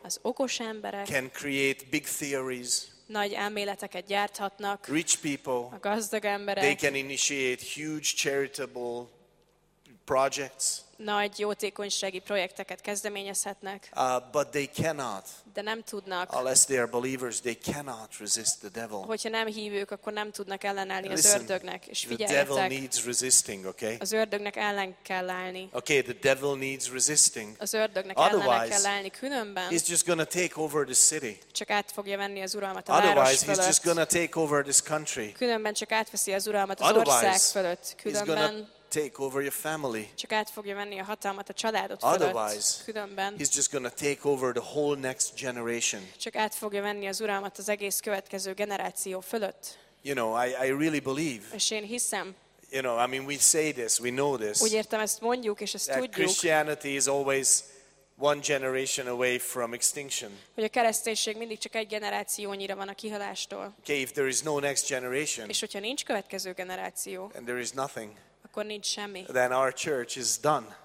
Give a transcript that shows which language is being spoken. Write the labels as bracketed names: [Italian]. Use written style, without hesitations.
[Hungarian] Az okos emberek. [English] Can create big theories. [Hungarian] Nagy elméleteket gyárthatnak. [English] Rich people. [Hungarian] A gazdag emberek. [English] They can initiate huge charitable projects. [Hungarian] Nagy jótékonysági projekteket kezdeményezhetnek. [English] But they cannot. [Hungarian] De nem tudnak. [English] Unless they are believers, they cannot resist the devil. [Hungarian] Hogyha nem hívők, akkor nem tudnak ellenállni az ördögnek. És figyeljetek. [English] The devil needs resisting, okay? [Hungarian] Az ördögnek ellen kell állni. [English] Okay, the devil needs resisting. [Hungarian] Az ördögnek [English] otherwise, [Hungarian] ellen kell állni, különben. [English] He's just gonna take over the city. [Hungarian] Csak át fogja venni az uralmat a város fölött. [English] Otherwise, he's just gonna take over this country. [Hungarian] Különben csak átveszi az uralmat az [English] otherwise, [Hungarian] ország fölött. Különben. [English] Take over your family. [Hungarian] Csak át fogja venni a hatalmat a családod fölött. [English] Otherwise, [Hungarian] különben, [English] he's just gonna take over the whole next generation. [Hungarian] Csak át fogja venni az uralmat az egész következő generáció fölött. [English] You know, I really believe. [Hungarian] És én hiszem. [English] You know, I mean, we say this, we know this. [Hungarian] Úgy értem, ezt mondjuk és ezt [English] that [Hungarian] tudjuk. [English] Christianity is always one generation away from extinction. [Hungarian] Hogy a kereszténység mindig csak egy generációnyira van a kihalástól. [English] Okay, if there is no next generation. [Hungarian] És hogyha nincs következő generáció. [English] And there is nothing. [Hungarian] Akkor nincs semmi. [English] Then our church is done.